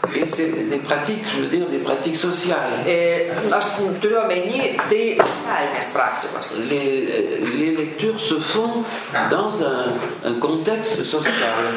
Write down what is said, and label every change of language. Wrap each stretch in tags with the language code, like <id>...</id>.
<fr>et c'est des pratiques, je veux dire, des pratiques sociales.</fr> <lt>Aš turiu omeny, tai socialinės praktikos.</lt> <fr>Les lectures se font dans un contexte social.</fr>